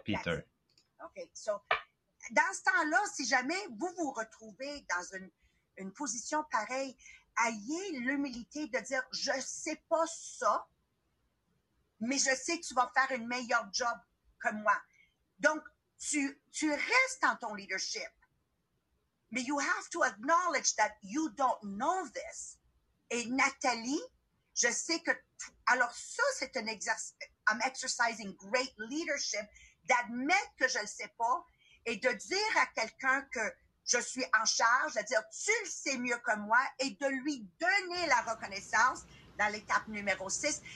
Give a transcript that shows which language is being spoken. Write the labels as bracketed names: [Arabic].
[English] That's Peter. it. OK. [French] So, dans ce temps-là, si jamais vous vous retrouvez dans une position pareille, ayez l'humilité de dire, je ne sais pas ça, mais je sais que tu vas faire une meilleure job que moi. Donc, tu restes dans ton leadership, mais [English] you have to acknowledge that you don't know this. [French] Et Nathalie, je sais que. Alors, ça, c'est un exercice. [English] I'm exercising great leadership, [French] d'admettre que je ne le sais pas et de dire à quelqu'un que je suis en charge, de dire tu le sais mieux que moi et de lui donner la reconnaissance dans l'étape numéro 6.